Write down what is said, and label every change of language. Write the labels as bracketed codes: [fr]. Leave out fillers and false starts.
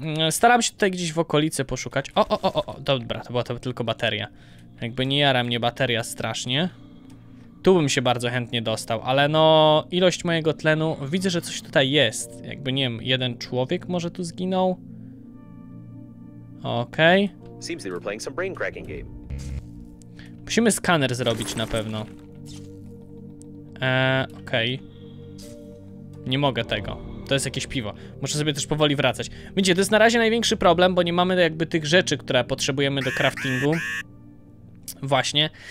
[pl] Staram się tutaj gdzieś w okolicy poszukać. Dobra, to była to tylko bateria. Jakby nie jara mnie bateria strasznie. Tu bym się bardzo chętnie dostał, ale no, ilość mojego tlenu, widzę, że coś tutaj jest. Jakby nie wiem, jeden człowiek może tu zginął. Okej. [en] Seems they were playing some brain cracking game. [pl] Musimy skaner zrobić na pewno. Okej. Nie mogę tego. To jest jakieś piwo. Muszę sobie też powoli wracać. Widzicie, to jest na razie największy problem, bo nie mamy jakby tych rzeczy, które potrzebujemy do craftingu. Właśnie.